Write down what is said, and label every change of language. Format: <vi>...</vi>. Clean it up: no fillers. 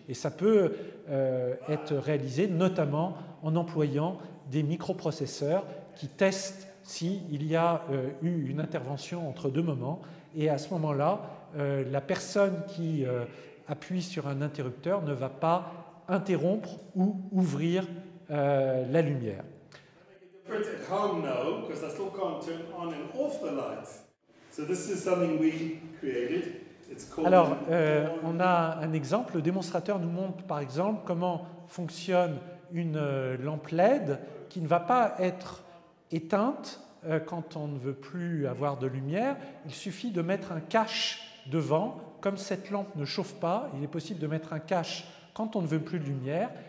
<fr>Et ça peut être réalisé notamment en employant des microprocesseurs qui testent s'il y a eu une intervention entre deux moments. Et à ce moment-là, la personne qui appuie sur un interrupteur ne va pas interrompre ou ouvrir la lumière.</fr> <en>At home, no, because I still can't turn on and off the lights. So this is something we created. It's called.</en> <fr>Alors, on a un exemple. Le démonstrateur nous montre, par exemple, comment fonctionne une lampe LED qui ne va pas être éteinte quand on ne veut plus avoir de lumière. Il suffit de mettre un cache devant. Comme cette lampe ne chauffe pas, il est possible de mettre un cache quand on ne veut plus de lumière.</fr>